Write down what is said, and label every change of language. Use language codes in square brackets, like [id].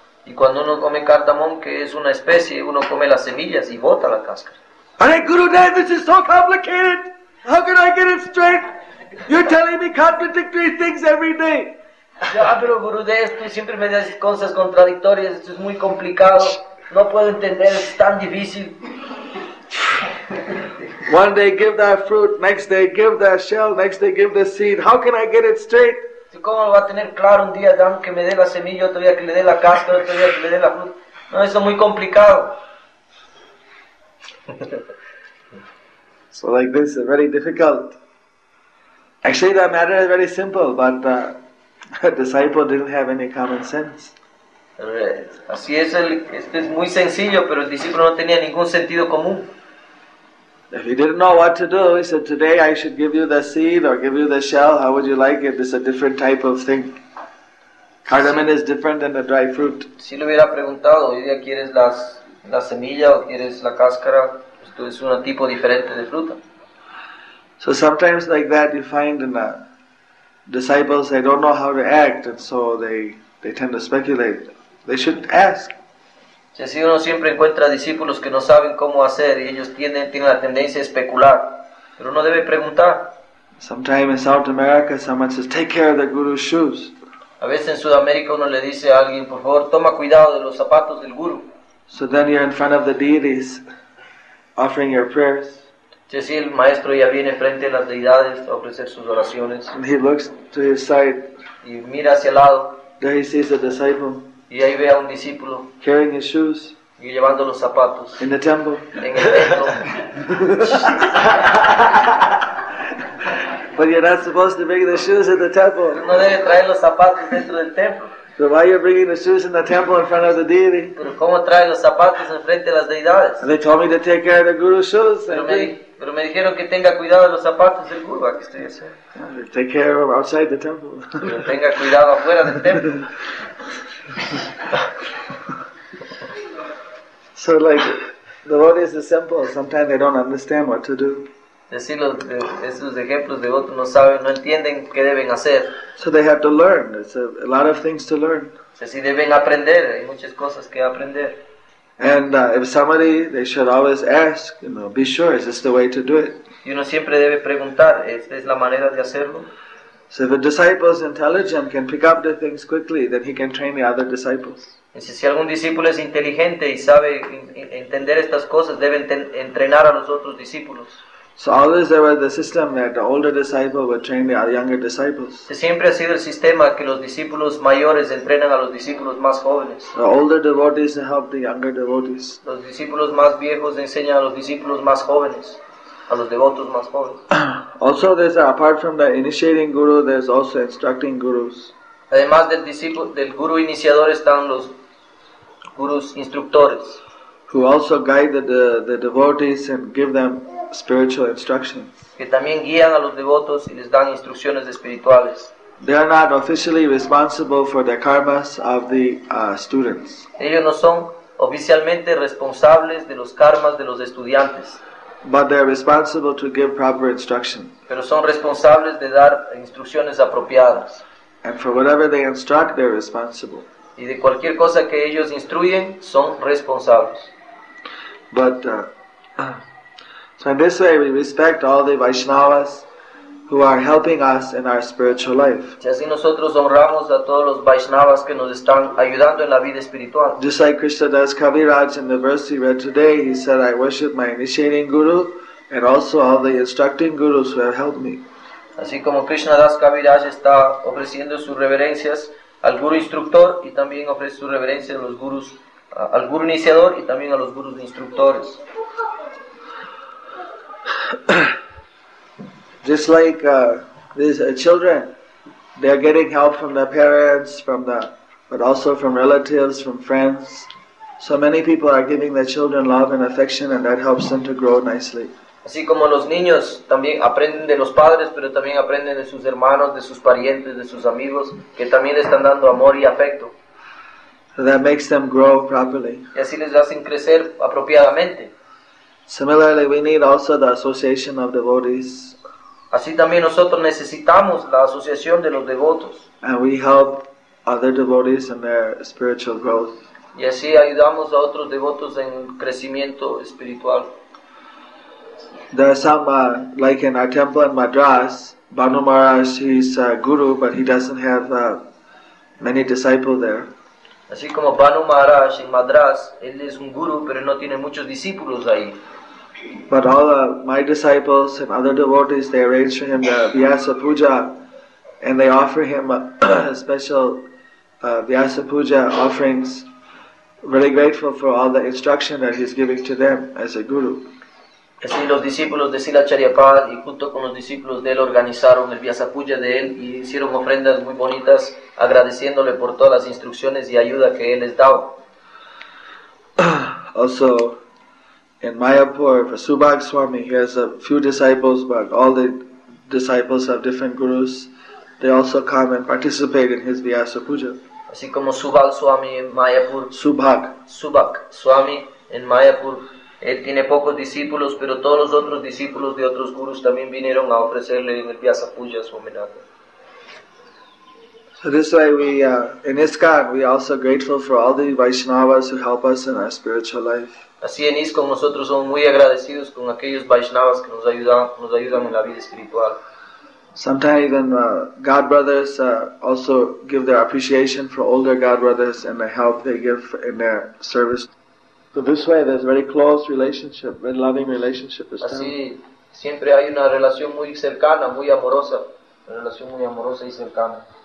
[es] Y cuando uno come cardamom, que es una especie, uno come las semillas y bota la cáscara. [en] Hare Guru Dev, this is so complicated. How can I get it straight? You're telling me contradictory things every day. [es] Ya, pero Gurudev, tú siempre me dices cosas contradictorias. Esto es muy complicado. No puedo entender. Es tan difícil. [en] One day give that fruit, next day give that shell, next day give the seed. How can I get it straight? [es] ¿Cómo lo va a tener claro un día, Dan, que me dé la semilla, otro día que le dé la cáscara, otro día que le dé la fruta? No, eso es muy complicado. [en] So like this is very difficult. Actually, the matter is very simple, but the disciple didn't have any common sense. [es] Así es, este es muy sencillo, pero el discípulo no tenía ningún sentido común. [en] If he didn't know what to do, he said, today I should give you the seed or give you the shell. How would you like it? It's a different type of thing. Cardamom is different than a dry fruit. [es] Si le hubiera preguntado, hoy día quieres la semilla o quieres la cáscara, esto es un tipo diferente de fruta. [en] So sometimes like that you find in disciples, they don't know how to act, and so they tend to speculate. They should ask. [es] Si así uno siempre encuentra discípulos que no saben cómo hacer y ellos tienen la tendencia a especular, pero uno debe preguntar. [en] Sometimes in South America someone says, take care of the guru's shoes. [es] A veces en Sudamérica uno le dice a alguien, por favor, toma cuidado de los zapatos del guru. [en] So then you're in front of the deities, offering your prayers. [es] Si así el maestro ya viene frente a las deidades a ofrecer sus oraciones. [en] And he looks to his side. [es] Y mira hacia el lado. [en] There he sees a disciple. [es] Y ahí ve a un discípulo. [en] Carrying his shoes. [es] Y llevando los zapatos. [en] In the temple. [es] En el templo. [en] But you're not supposed to bring the shoes in the temple. [es] No debe traer los zapatos dentro del templo. [en] So why are you bringing the shoes in the temple in front of the deity? [es] Pero cómo trae los zapatos en frente de las deidades. [en] And they told me to take care of the guru's shoes. [es] Pero me dijeron que tenga cuidado de los zapatos del guru. Aquí estoy haciendo. [en] Take care of outside the temple. [es] Pero tenga cuidado afuera del templo. [en] So like, the word is the simple. Sometimes they don't understand what to do. [es] Así esos ejemplos de otros no saben, no entienden qué deben hacer. [en] So they have to learn. It's a lot of things to learn. [es] Así deben aprender. Hay muchas cosas que aprender. [en] And if somebody, they should always ask. You know, be sure. Is this the way to do it? [es] Y uno siempre debe preguntar. ¿Esta es la manera de hacerlo? [en] So if a disciple is intelligent, can pick up the things quickly, then he can train the other disciples. [es] Si algún discípulo es inteligente y sabe entender estas cosas, debe entrenar a los otros discípulos. [en] So always there was the system that the older disciple would train the younger disciples. [es] Siempre ha sido el sistema que los discípulos mayores entrenan a los discípulos más jóvenes. [en] The older devotees help the younger devotees. [es] Los discípulos más viejos enseñan a los discípulos más jóvenes, a los devotos más jóvenes. [en] Also, there's apart from the initiating guru, there's also instructing gurus. [es] Además del discípulo, del guru iniciador están los gurus instructores. [en] Who also guide the devotees and give them spiritual instruction. [es] Que también guían a los devotos y les dan instrucciones espirituales. [en] They are not officially responsible for the karmas of the students. [es] Ellos no son oficialmente responsables de los karmas de los estudiantes. [en] But they are responsible to give proper instruction. [es] Pero son responsables de dar instrucciones apropiadas. [en] And for whatever they instruct, they are responsible. [es] Y de cualquier cosa que ellos instruyen, son responsables. [en] But so in this way we respect all the Vaishnavas who are helping us in our spiritual life. [es] Y así nosotros honramos a todos los Vaishnavas que nos están ayudando en la vida espiritual. [en] Just like Krishna Das Kaviraj in the verse he read today, he said, I worship my initiating guru and also all the instructing gurus who have helped me. [es] Así como Krishna Das Kaviraj está ofreciendo sus reverencias al guru instructor y también ofrece su reverencia a los gurus, al guru iniciador y también a los gurus instructores. [en] Just like these children, they are getting help from their parents, but also from relatives, from friends. So many people are giving their children love and affection, and that helps them to grow nicely. [es] Así como los niños también aprenden de los padres, pero también aprenden de sus hermanos, de sus parientes, de sus amigos, que también le están dando amor y afecto. [en] So that makes them grow properly. [es] Y así les hacen crecer apropiadamente. [en] Similarly, we need also the association of devotees. [es] Así también nosotros necesitamos la asociación de los devotos. [en] And we help other devotees in their spiritual growth. [es] Y así ayudamos a otros devotos en crecimiento espiritual. [en] There are some, like in our temple in Madras, Banu Maharaj, he's a guru, but he doesn't have many disciples there. [es] Así como Banu Maharaj in Madras, él es un guru, pero no tiene muchos discípulos ahí. [en] But all my disciples and other devotees, they arrange for him the Vyasa Puja, and they offer him a special Vyasa Puja offerings, really grateful for all the instruction that he's giving to them as a guru. [es] Así los discípulos de Sila Charyapad y junto con los discípulos de él organizaron el Vyasa Puja de él y hicieron ofrendas muy bonitas agradeciéndole por todas las instrucciones y ayuda que él les daba. [en] Also, In Mayapur, for Subhag Swami, he has a few disciples, but all the disciples have different gurus. They also come and participate in his Vyasa Puja. [es] Así como Subhag Swami en Mayapur. Subhag. Subhag Swami en Mayapur. Él tiene pocos discípulos, pero todos los otros discípulos de otros gurus también vinieron a ofrecerle en el Vyasa Puja su homenaje. [en] So this way, in ISKCON, we are also grateful for all the Vaishnavas who help us in our spiritual life. [es] Así en ISKCON, nosotros somos muy agradecidos con aquellos Vaishnavas que nos ayudan en la vida espiritual. [en] Sometimes even God brothers also give their appreciation for older God brothers and the help they give in their service. So this way, there's a very close relationship, very loving relationship. [es] Así, siempre hay una relación muy cercana, muy amorosa, una relación muy amorosa y cercana.